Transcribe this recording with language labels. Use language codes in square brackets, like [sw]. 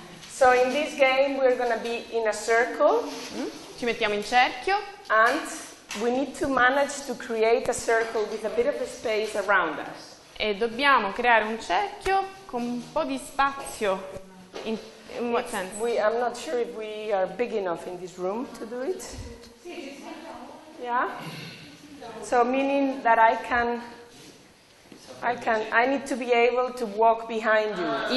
[en] So in this game we're gonna be in a circle. [it] Ci mettiamo in cerchio. [en] And we need to manage to create a circle with a bit of a space around us. [it] E dobbiamo creare un cerchio con un po' di spazio in. [en] In what sense? I'm not sure if we are big enough in this room to do it. Yeah? So meaning that I need to be able to walk behind you.